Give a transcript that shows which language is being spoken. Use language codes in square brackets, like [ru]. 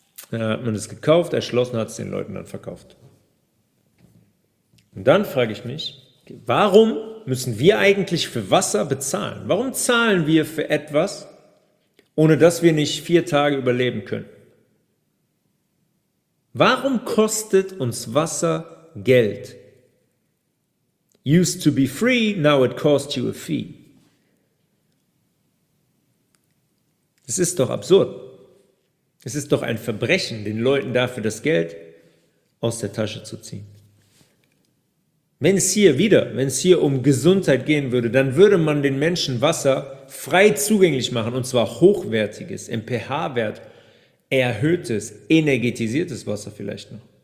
[de] Da hat man es gekauft, erschlossen, hat es den Leuten dann verkauft. Und dann frage ich mich, warum müssen wir eigentlich für Wasser bezahlen? Warum zahlen wir für etwas, ohne dass wir nicht 4 Tage überleben können? Warum kostet uns Wasser Geld? [en] Used to be free, now it costs you a fee. [de] Das ist doch absurd. Es ist doch ein Verbrechen, den Leuten dafür das Geld aus der Tasche zu ziehen. Wenn es hier um Gesundheit gehen würde, dann würde man den Menschen Wasser frei zugänglich machen, und zwar hochwertiges, im pH-Wert erhöhtes, energetisiertes Wasser vielleicht noch.